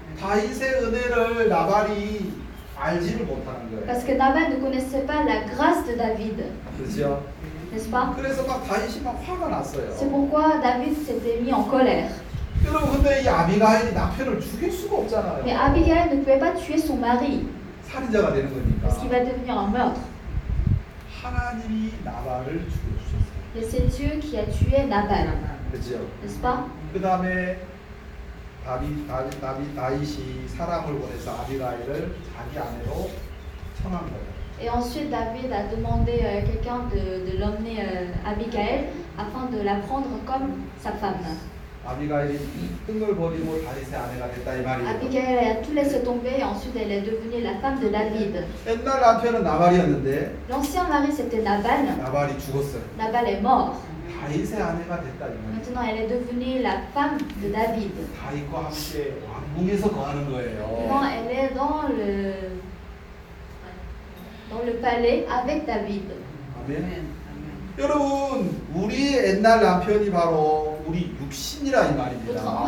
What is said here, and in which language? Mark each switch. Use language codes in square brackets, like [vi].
[ko] 다윗의 은혜를 나발이 알지를 못하는 거예요. [fr] Parce que Nabal ne connaissait pas la grâce de David. [ko] 그렇죠. [fr] N'est-ce pas? [ko] 그래서 막 다윗이 막 화가 났어요. [fr] C'est pourquoi David s'était mis en colère. [ko] 여러분, 근데 이 아비가일이 남편을 죽일 수가 없잖아요. [fr] Mais Abigail ne pouvait pas tuer son mari. [ko] 살인자가 되는 거니까. [fr] Parce qu'il va devenir un meurtre. [ko] 하나님이 나발을 죽여주셨어요. [fr] Et c'est Dieu qui a tué Nabal. [ko] 그죠? [fr] N'est-ce pas? [ko] 그다음에 다윗이 사람을 보내서 아비가일을 자기 아내로 청한 거예요. [fr] Et ensuite, David a demandé à quelqu'un de l'emmener Abigail afin de la prendre comme sa femme. [ko] 아비가일이 뜬걸 버리고 다윗의 아내가 됐다 이 말이에요. 아비가일이 툴렛에 [fr] tombé et ensuite elle est devenue la femme de David. [ko] 옛날 남편은 나발이었는데. [fr] L'ancien mari c'était Nabal. [ko] 나발이 죽었어요. [fr] Nabal est mort. [ko] 다윗의 아내가 됐다 이 말. [fr] Maintenant elle est devenue la femme de David. [ko] 다윗과 함께 왕궁에서 거하는 거예요. [fr] Maintenant elle est dans le palais avec David. [ko] 아멘. 여러분, 우리의 옛날 남편이 바로 우리 육신이라 이 말입니다.